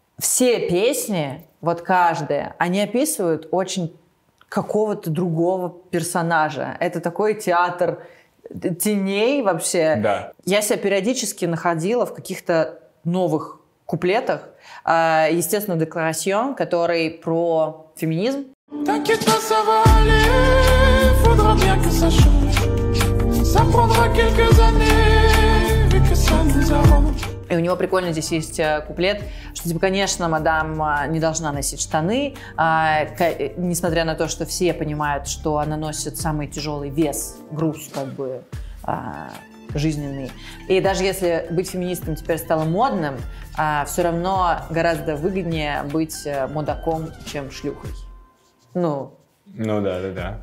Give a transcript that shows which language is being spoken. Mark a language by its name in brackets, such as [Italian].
[Russian] Все песни, вот каждая, они описывают очень какого-то другого персонажа. Это такой театр теней вообще. Да. Я себя периодически находила в каких-то новых куплетах. Естественно, декларацион, который про феминизм. Так и танцевали, [French] faudra bien que ça change. Ça prendra quelques années, que ça nous arrange. [Russian] И у него прикольно здесь есть куплет, что, типа, конечно, мадам не должна носить штаны, несмотря на то, что все понимают, что она носит самый тяжелый вес, груз, как бы, жизненный. И даже если быть феминистом теперь стало модным, все равно гораздо выгоднее быть мудаком, чем шлюхой. Ну да.